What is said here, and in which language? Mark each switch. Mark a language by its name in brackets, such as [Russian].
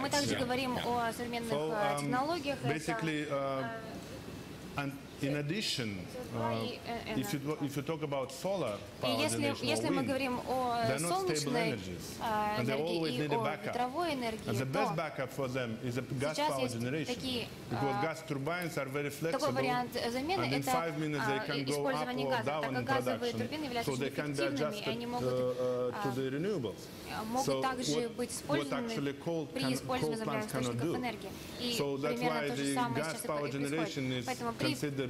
[Russian] Мы также говорим о современных технологиях. [English] Basically, and in addition, if you talk about solar power generation, they're not stable energies. And they always need a backup. And the best backup for them is a gas power generation. Because gas turbines are very flexible. And in 5 minutes they can go up or down in production. So they can be adjusted to the renewables. [Russian] Могут также быть использованы при использовании возобновляемых источников энергии. И, например, то же самое сейчас и происходит. Поэтому